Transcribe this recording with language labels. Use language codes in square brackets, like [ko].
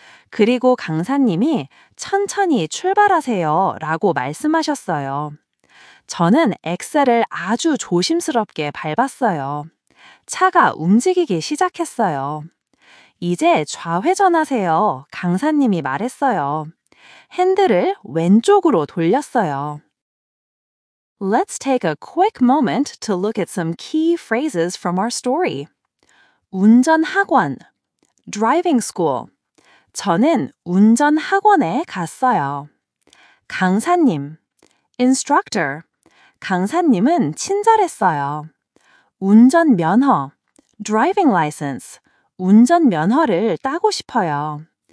[ko] 그리고 강사님이 천천히 출발하세요 라고 말씀하셨어요. 저는 엑셀을 아주 조심스럽게 밟았어요. 차가 움직이기 시작했어요. 이제 좌회전하세요. 강사님이 말했어요. 핸들을 왼쪽으로 돌렸어요. [en] Let's take a quick moment to look at some key phrases from our story. [ko] 운전 학원, [en] driving school. [ko] 저는 운전 학원에 갔어요. 강사님, [en] instructor. [ko] 강사님은 친절했어요. 운전 면허, [en] driving license. [ko] 운전 면허를 따고 싶어요.